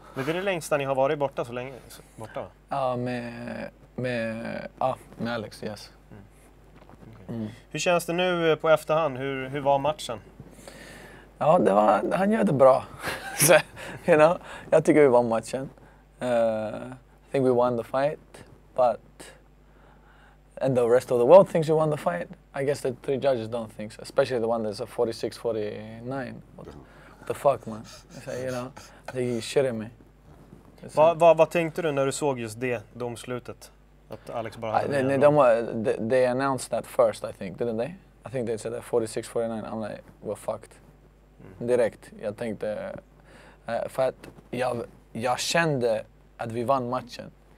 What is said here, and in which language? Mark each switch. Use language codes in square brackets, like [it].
[sv] Men det är det längsta ni har varit borta så länge? Borta. Ja, med Alex, yes. Mm. Hur känns det nu på efterhand? Hur var matchen? Ja, han gjorde bra. [en] You know, [sv] jag tycker vi vann matchen. [en] I think we won the fight, but and the rest of the world thinks you won the fight. I guess the three judges don't think so, especially the one that's a 46-49. What the fuck, man? You know, they're shitting me. [sv] Vad tänkte du när du såg just det domslutet? Att Alex bara hade [en] they announced that first, I think, didn't they? I think they said that 46-49. I'm like, we're fucked. Mm. [sv] Direkt. Jag tänkte, för att jag kände att vi vann matchen.